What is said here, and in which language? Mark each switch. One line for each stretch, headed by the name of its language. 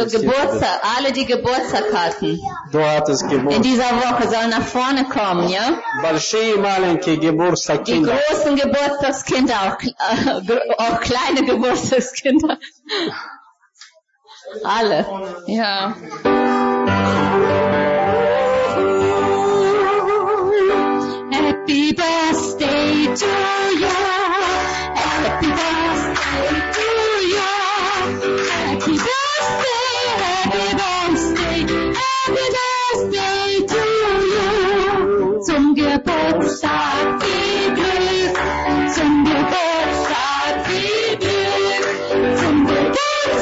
German: Also Geburtstag, alle die Geburtstagskarten. Du hattest Geburt. In dieser Woche sollen nach vorne kommen, ja?
Russian: Большие, маленькие Geburtstagskinder.
German: Die großen Geburtstagskinder, auch kleine Geburtstagskinder. Alle, ja.
English: Happy birthday to you. Happy birthday to you. Happy birthday, happy birthday, happy birthday to you.
German: Zum Geburtstag viel Glück. Zum Geburtstag viel Glück. Zum Geburtstag.